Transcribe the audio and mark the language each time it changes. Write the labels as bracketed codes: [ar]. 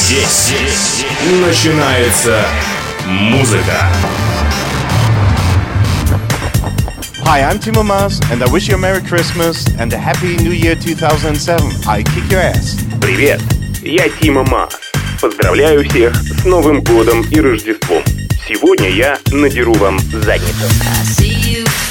[ru] Здесь начинается музыка. [en] Hi, I'm Timo Maas, and I wish you a Merry Christmas and a Happy New Year 2007. I kick your ass. [ru] Привет, я Тима Маас. Поздравляю всех с Новым годом и Рождеством. Сегодня я надеру вам задницу.